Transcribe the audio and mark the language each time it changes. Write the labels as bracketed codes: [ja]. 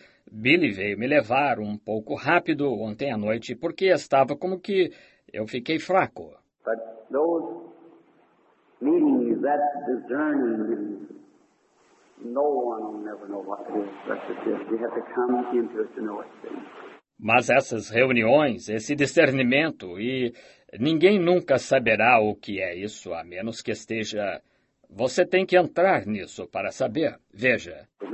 [pt] Billy veio me levar um pouco rápido ontem à noite, porque estava como que eu fiquei fraco. [en] But those meetings, that discerning, no one will never know what it is. That's just, you have to come into it to know it. [pt] Mas essas reuniões, esse discernimento, e ninguém nunca saberá o que é isso, a menos que esteja... Você tem que entrar nisso para saber. Veja.